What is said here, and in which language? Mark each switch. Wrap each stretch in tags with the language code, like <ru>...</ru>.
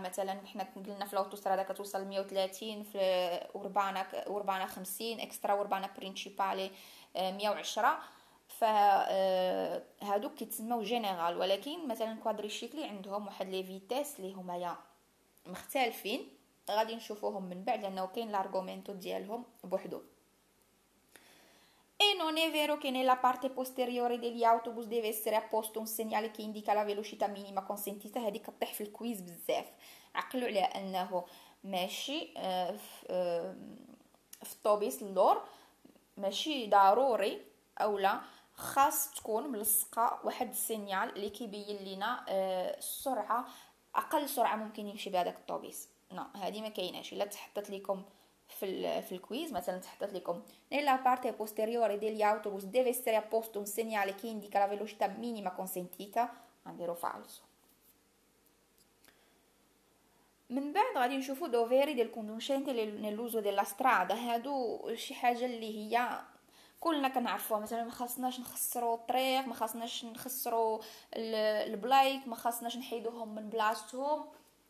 <ar>مثلا حنا قلنا في الاوتوسترادا كتوصل 130، في اوربانا 50، اكسترا اوربانا برينشيبالي 110. ف هادوك كيتسموا جينيرال، ولكن مثلا كوادريشيكلي عندهم واحد لي فيتيس لي هما يا مختلفين، غادي نشوفوهم من بعد لانه كاين لارغومنتو ديالهم بوحدو.</ar> <it>E non è vero che nella parte posteriore degli autobus deve essere apposto un segnale che indica la velocità minima consentita.</it> <ar>هادي كطيح في الكويز بزاف. عقلوا عليها انه ماشي في الطوبيس اللور ماشي ضروري اولا خاص تكون ملصقة واحد السينيال اللي كيبين لينا السرعة، اقل سرعة ممكن يمشي بها داك الطوبيس. نو هادي ما كايناش. الا تحطت لكم في الكويز مثلا تحطت لكم</ar> <it>nella parte posteriore degli autobus deve essere apposto un segnale che indica la velocità minima consentita. Andrò falso.</it> <ar>من بعد غادي نشوفو</ar> <it>doveri del conducente nell'uso della strada.</it> <ar>هادو شي حاجة اللي هي كلنا كنعرفوها، مثلا ما خصناش نخسرو الطريق، ما خصناش نخسرو البلايك، ما خصناش نحيدوهم من بلاصتهم.</ar>